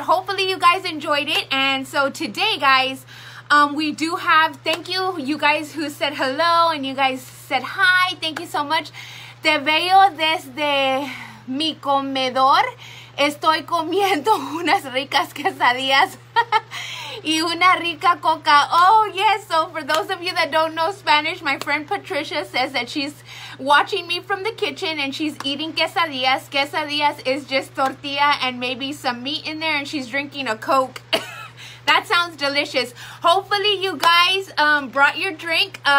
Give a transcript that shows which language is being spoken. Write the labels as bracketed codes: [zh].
[en] Hopefully you guys enjoyed it. And so today, guys, we do have, thank you, you guys who said hello and you guys said hi. Thank you so much. [es] Te veo desde mi comedor. Estoy comiendo unas ricas quesadillas y una rica coca. [en] Oh, yes. So for those of you that don't know Spanish, my friend Patricia says that she's watching me from the kitchen and she's eating quesadillas. Quesadillas is just tortilla and maybe some meat in there, and she's drinking a Coke. That sounds delicious. Hopefully you guys brought your drink.